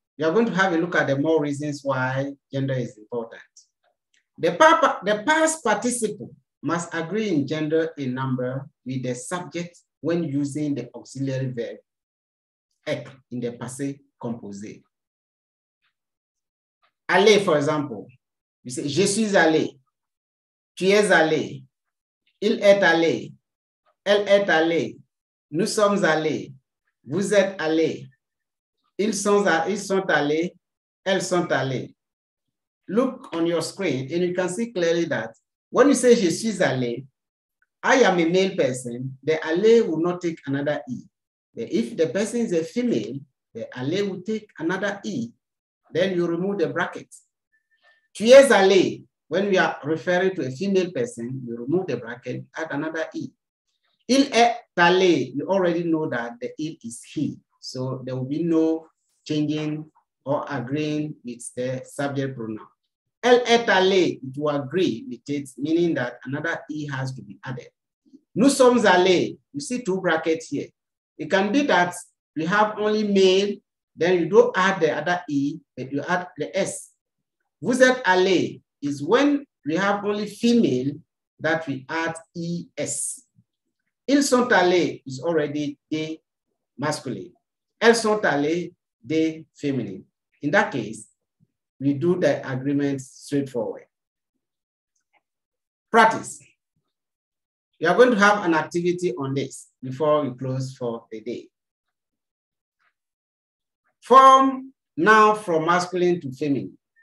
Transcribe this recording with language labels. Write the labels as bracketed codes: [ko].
[en] We are going to have a look at the more reasons why gender is important. The past participle must agree in gender in number with the subject when using the auxiliary verb in the passé composé. [fr] Aller, [en] for example, you say, [fr] je suis allé, tu es allé, il est allé, elle est allé, nous sommes allés, vous êtes allés, ils sont allés, elles sont allées. [en] look on your screen and you can see clearly that when you say [fr] je suis allé, [en] I am a male person, the allé will not take another E. But if the person is a female, the allé will take another E. Then you remove the brackets. [fr] Tu es allé, [en] when we are referring to a female person, you remove the bracket, add another E. [fr] Il est allé, [en] you already know that the il is he. So there will be no changing or agreeing with the subject pronoun. [fr] Elle est allée, [en] to agree with it, meaning that another E has to be added. [fr] Nous sommes allés, [en] you see two brackets here. It can be that we have only male, then you don't add the other E, but you add the S. [fr] Vous êtes allés [en] is when we have only female that we add ES. [fr] Ils sont allés [en] is already de masculine. [fr] Elles sont allées de feminine. [en] In that case, we do the agreement straightforward. Practice. You are going to have an activity on this before we close for the day. Form now from masculine to feminine.